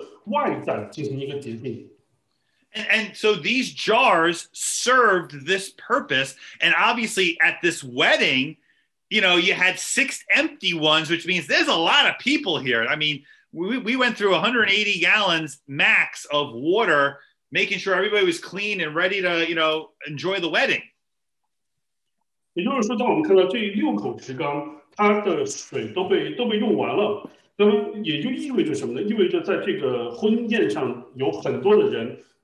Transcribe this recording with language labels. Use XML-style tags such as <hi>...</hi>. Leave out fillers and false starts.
<zh>所以他们的作用是什么呢？他们的作用就是对我们的外在进行一个洁净。</zh> <en>And so these jars served this purpose. And obviously at this wedding, you know, you had 6 empty ones, which means there's a lot of people here. I mean, we went through 180 gallons max of water, making sure everybody was clean and ready to, you know, enjoy the wedding.</en> <zh>也就是说，当我们看到这六口池缸，它的水都被用完了，那么也就意味着什么呢？意味着在这个婚宴上有很多的人。</zh>